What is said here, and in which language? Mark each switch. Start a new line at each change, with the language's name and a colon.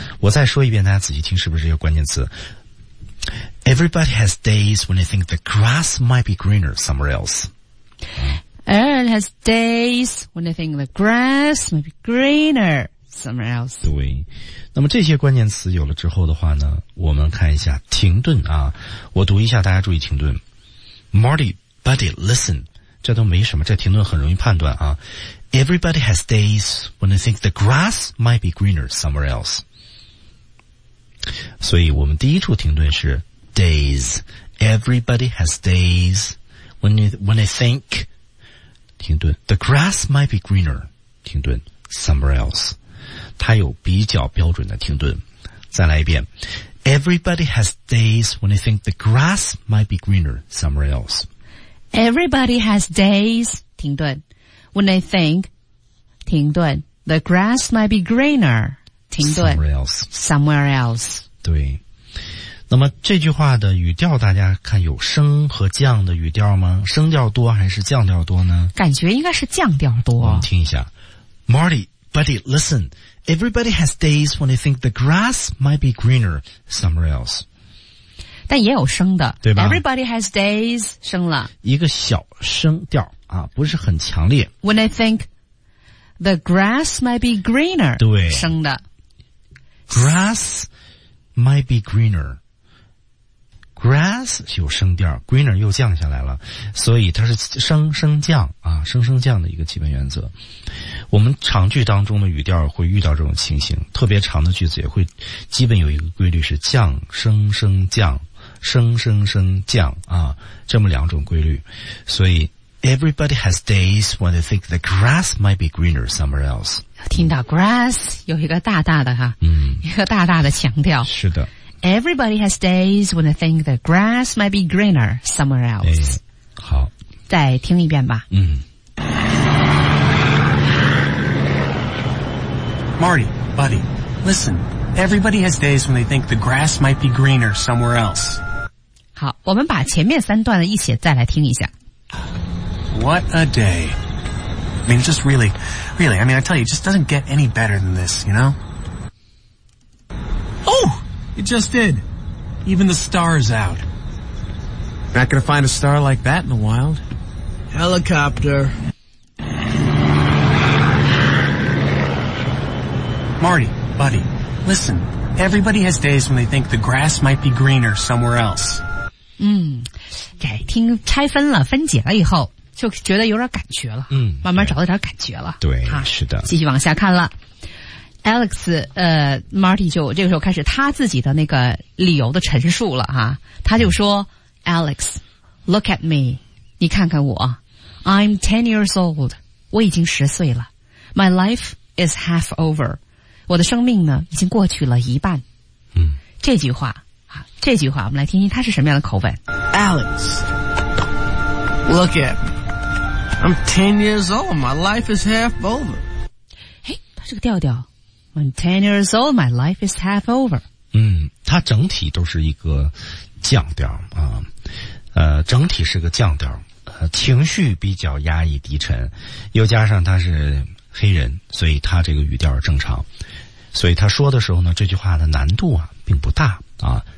Chinese: 我再说一遍，大家仔细听是不是这些关键词。
English: Everybody has days when they think the grass might be greener somewhere else. Everyone has days when they think the grass might be greener somewhere else.
Chinese: 对。那么这些关键词有了之后的话呢，我们看一下停顿啊。我读一下，大家注意停顿。
English: Marty, buddy, listen.
Chinese: 这都没什么，这停顿很容易判断啊。
English: Everybody has days when they think the grass might be greener somewhere else.
Chinese: 所以我们第一处停顿是 days.
English: Everybody has days when they think,
Chinese: 停顿,
English: the grass might be greener, 停顿, somewhere else.
Chinese: 它有比较标准的停顿。再来一遍。
English: Everybody has days when they think the grass might be greener somewhere else. Everybody has days,
Chinese: 停顿。
English: When they think,
Chinese: 停顿,
English: the grass might be greener, 停顿, somewhere else.
Chinese: 对。那么这句话的语调大家看有升和降的语调吗？升调多还是降调多呢？感觉应该是降调多。我们听一下。
English: Marty, buddy, listen. Everybody has days when they think the grass might be greener somewhere else.
Chinese: 但也有升的，对吧
English: ？Everybody has days
Chinese: 升了一个小升调啊，不是很强烈。
English: When I think the grass might be greener，
Chinese: 对，升的。
English: Grass might be greener。
Chinese: Grass 有升调 ，greener 又降下来了，所以它是升升降啊，升升降的一个基本原则。我们长句当中的语调会遇到这种情形，特别长的句子也会基本有一个规律是降升升降。升升升降啊，这么两种规律，所以
English: everybody has days when they think the grass might be greener somewhere else。
Chinese: 听到 grass 有一个大大的哈，嗯，一个大大的强调。是的
English: ，everybody has days when they think the grass might be greener somewhere else。
Chinese: 哎、好，再听一遍吧。嗯
English: ，Marty, buddy, listen. Everybody has days when they think the grass might be greener somewhere else.
Chinese: 好，我们把前面三段的一起再来听一下。
English: What a day. I mean, just really, really, I mean, I tell you, it just doesn't get any better than this, you know? Oh, it just did. Even the star's out. Not gonna find a star like that in the wild. Helicopter. Marty, buddy. Listen, everybody has days when they think the grass might be greener somewhere else.
Chinese: 嗯，对，听拆分了，分解了以后，就觉得有点感觉了。嗯，慢慢找到点感觉了。对，是的。继续往下看了。Alex, Marty 就这个时候开始他自己的那个理由的陈述了哈、啊。他就说 ,
English: Alex, look at me,
Chinese: 你看看我。
English: I'm 10 years old,
Chinese: 我已经十岁了。
English: My life is half over.
Chinese: 我的生命呢已经过去了一半。嗯。这句话啊这句话我们来听听它是什么样的口吻。
English: Alex, look at me. I'm 10 years old, my life is half over.
Chinese: 诶它这个调调。
English: When 10 years old, my life is half over.
Chinese: 嗯，它整体都是一个降调啊，整体是个降调，情绪比较压抑低沉，又加上他是黑人，所以他这个语调正常，所以他说的时候呢，这句话的难度啊并不大啊。